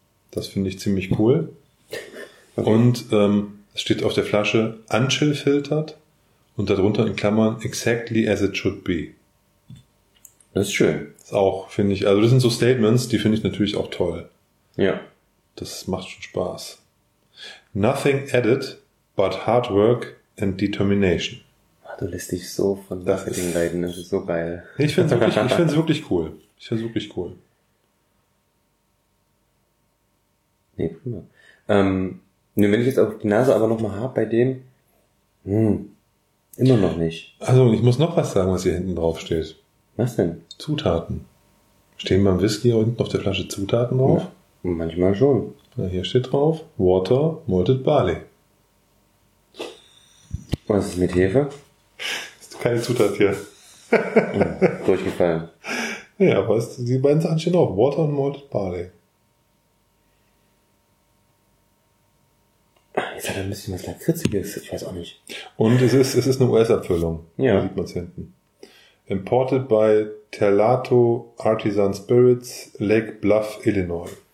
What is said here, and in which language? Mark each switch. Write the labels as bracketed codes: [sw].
[de] Das finde ich ziemlich cool. Okay. Und es steht auf der Flasche [en] unchill filtered [de] und darunter in Klammern [en] exactly as it should be. [de] Das ist schön. Das ist auch, finde ich, also das sind so Statements, die finde ich natürlich auch toll. Ja. Das macht schon Spaß. [en] Nothing added but hard work and determination. [de] Ach, du lässt dich so von Marketing leiden, das ist so geil. Ich finde es wirklich cool. Ich finde es wirklich cool. Nee, prima. Wenn ich jetzt auf die Nase aber nochmal habe bei dem, immer noch nicht. Also ich muss noch was sagen, was hier hinten drauf steht. Was denn? Zutaten. Stehen beim Whisky unten auf der Flasche Zutaten drauf? Ja, manchmal schon. Na, hier steht drauf, Water, Malted Barley. Was ist mit Hefe? Ist keine Zutat hier. Ja, durchgefallen. Ja, aber die beiden Sachen stehen auch, Water und Malted Barley. Es hat ein bisschen was Lakritziges, ich weiß auch nicht. Und es ist eine US-Abfüllung. Ja. Da sieht man es hinten. [en] Imported by Terlato Artisan Spirits, Lake Bluff, Illinois.